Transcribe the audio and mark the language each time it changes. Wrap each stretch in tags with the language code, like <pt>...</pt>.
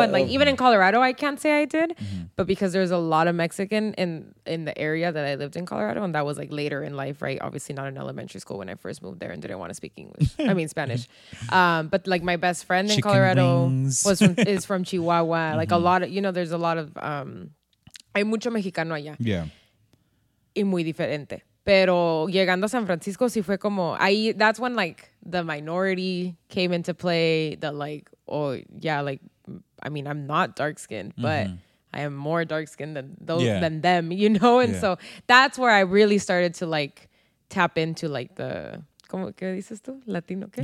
<en>And, like, even in Colorado, I can't say I did. Mm-hmm. But because there's a lot of Mexican in the area that I lived in Colorado, and that was, like, later in life, right? Obviously not in elementary school when I first moved there and didn't want to speak English. I mean, Spanish. But, like, my best friend in Colorado is from Chihuahua. Mm-hmm. Like, a lot of, you know, there's a lot of...</en> <es>hay mucho mexicano allá.</es> <en>Yeah.</en> <es>Y muy diferente. Pero llegando a San Francisco, sí fue como... Ahí,</es> <en>that's when, like, the minority came into play. The, like, oh, yeah, like, I mean, I'm not dark-skinned, but mm-hmm. I am more dark-skinned than those, yeah. than them, you know? And so that's where I really started to, like, tap into, like, the...</en> <es>¿Cómo que dices tú? Latino, ¿qué?</es>